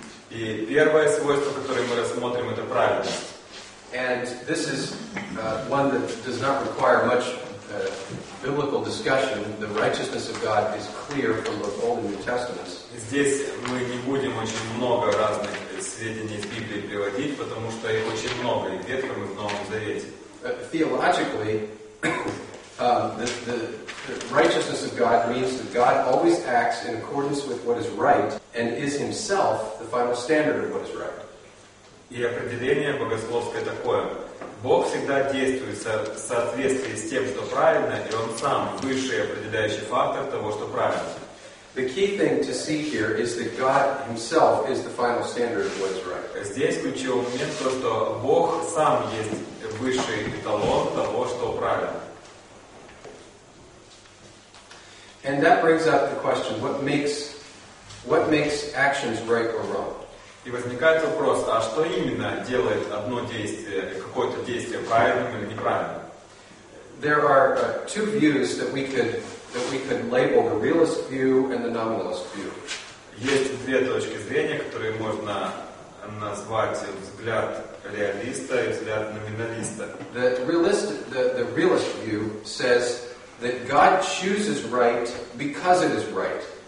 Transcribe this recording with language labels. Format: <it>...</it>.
<ru>И первое свойство, которое мы рассмотрим, это праведность.</ru> <en>And this is one that does not require much biblical discussion. The righteousness of God is clear from both Old and New Testaments.</en> <ru>Здесь мы не будем очень много разных сведений из Библии приводить, потому что их очень много и в Ветхом, и в Новом Завете.</ru> <en>Theologically, the righteousness of God means that God always acts in accordance with what is right and is himself the final standard of what is right.</en> <ru>И определение богословское такое. Бог всегда действует в соответствии с тем, что правильно, и он сам высший определяющий фактор того, что правильно.</ru> <en>The key thing to see here is that God himself is the final standard of what is right.</en> <ru>Здесь ключевой момент то, что Бог сам есть высший эталон того, что правильно.</ru> <en>And that brings up the question, what makes actions right or wrong?</en> <ru>И возникает вопрос, а что именно делает одно действие, какое-то действие правильным или неправильным?</ru> <en>There are two views that we could label, the realist view and the nominalist view.</en> <ru>Есть две точки зрения, которые можно назвать взгляд реалиста и взгляд номиналиста.</ru> <en>The realist view says that God chooses right because it is right.</en>